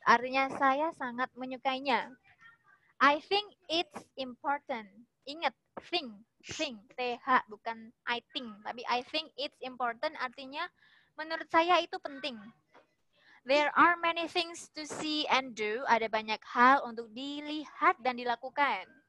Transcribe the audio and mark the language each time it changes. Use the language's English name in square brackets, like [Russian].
[Indonesian] Artinya saya sangat menyukainya. [English] I think it's important. [Indonesian] Ingat, [English] think. T-H, bukan I think. Tapi I think it's important. [Indonesian] Artinya menurut saya itu penting. [English] There are many things to see and do. [Indonesian] Ada banyak hal untuk dilihat dan dilakukan.